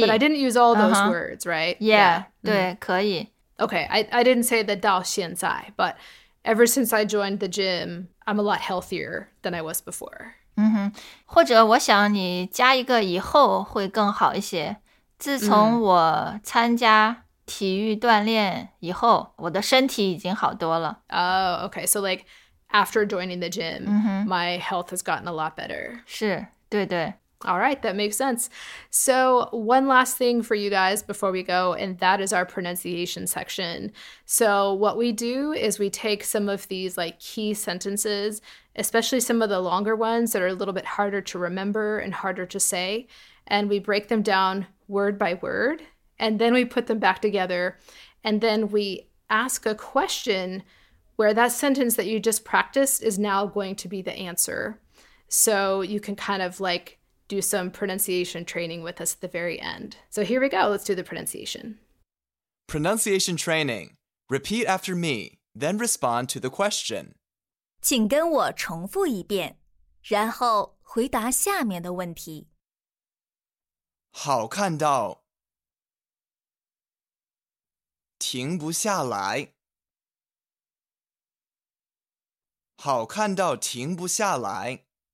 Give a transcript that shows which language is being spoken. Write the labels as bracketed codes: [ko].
[en] But I didn't use all those words, right? Yeah. [zh] 对，可以。 [en] Okay, I didn't say the [zh] 到现在, [en] but ever since I joined the gym, I'm a lot healthier than I was before. [zh] 嗯哼，或者我想你加一个以后会更好一些。自从我参加体育锻炼以后，我的身体已经好多了。 [en] Oh, okay, so like after joining the gym, my health has gotten a lot better. [zh] 是，对对。 [en] All right, that makes sense. So one last thing for you guys before we go, and that is our pronunciation section. So what we do is we take some of these like key sentences, especially some of the longer ones that are a little bit harder to remember and harder to say, and we break them down word by word, and then we put them back together, and then we ask a question where that sentence that you just practiced is now going to be the answer. So you can kind of like do some pronunciation training with us at the very end. So here we go. Let's do the pronunciation. Pronunciation training. Repeat after me, then respond to the question. [zh] 请跟我重复一遍，然后回答下面的问题。好看到停不下来。好看到停不下来。